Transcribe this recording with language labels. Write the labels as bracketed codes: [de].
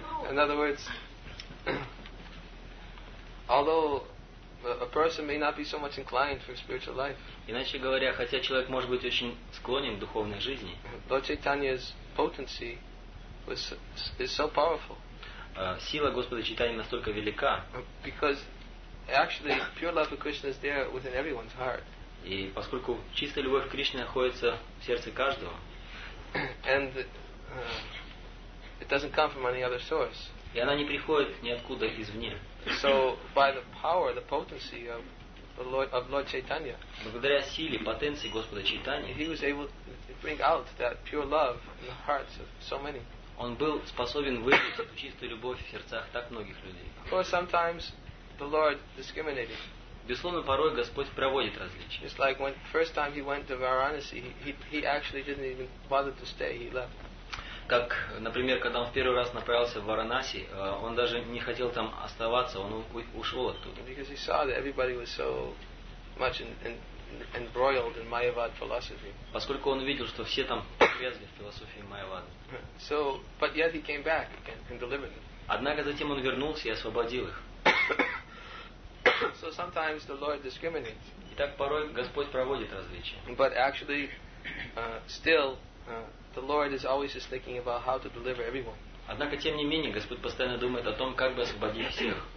[en] In other words, although a person may not be so much inclined for spiritual life. [ru] Иначе говоря, хотя человек может быть очень склонен к духовной жизни. [en] Lord Chaitanya's potency is so powerful. [ru] Сила Господа Чайтаньи настолько велика. [en] Because actually pure love of Krishna is there within everyone's heart. [ru] И поскольку чистая любовь к Кришне находится в сердце каждого. [en] And it doesn't come from any other source. [ru] И она не приходит ниоткуда извне. [en] So by the power, the potency of Lord Chaitanya. [ru] Благодаря силе, потенции Господа Чайтаньи. [en] He was able to bring out that pure love in the hearts of so many. [ru] Он был способен вызвать эту чистую любовь в сердцах так многих людей. [en] Or sometimes the Lord discriminated. [ru] Безусловно, порой Господь проводит различия. [en] It's like when first time he went to Varanasi, he actually didn't even bother to stay, he left. [ru] Как, например, когда он в первый раз направился в Варанаси, он даже не хотел там оставаться, он ушел оттуда. [en] Because he saw that everybody was so much embroiled in Mayavad philosophy. [ru] Поскольку он видел, что все там увязли в философии Майявады. [en] So, but yet he came back and delivered them. [ru] Однако затем он вернулся и освободил их. [en] So sometimes the Lord discriminates. [ru] И так порой Господь проводит различия. [en] But actually, still. The Lord is always just thinking about how to deliver everyone. [ru] Однако тем не менее Господь постоянно думает о том, как бы освободить всех.